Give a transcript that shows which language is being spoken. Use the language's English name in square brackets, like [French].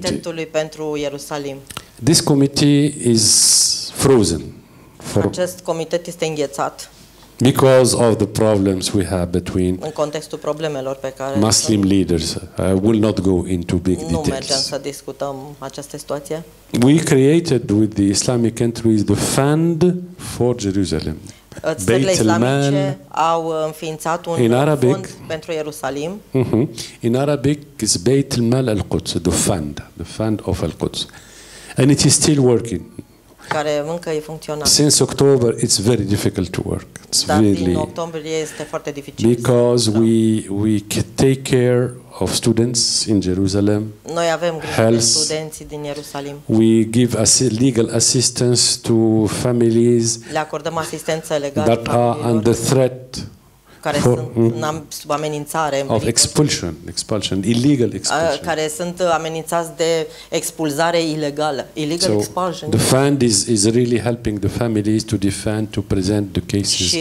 [Romanian] Comitetului pentru Ierusalim. [English] This committee is frozen. [Romanian] Acest comitet este înghețat. [English] Because of the problems we have between [Romanian] în contextul problemelor pe care [English] Muslim leaders. I will not go into big details. [Romanian] Nu mergem să discutăm această situație. [English] We created with the Islamic countries the fund for Jerusalem. [Romanian] Țările islamice au înființat un fond Arabic, pentru Ierusalim. [English] In Arabic is Beit al-Mal al-Quds, the fund of al-Quds. And it is still working. [Romanian] Care încă e funcțional. [English] Since October it's very difficult to work. It's [Romanian] dar [English] really. [Romanian] Din octombrie este foarte dificil. [English] Because we can take care of students in Jerusalem. [Romanian] Noi avem grijă de studenții din Ierusalim. [English] We give legal assistance to families. [Romanian] Le acordăm asistență legală. [English] That are under threat. [Romanian] Care for, sunt sub amenințare. [English] Of expulsion, illegal expulsion. [Romanian] Care sunt amenințați de expulzare ilegală. [English] Illegal so expulsion. The fund is really helping the families to defend, to present the cases.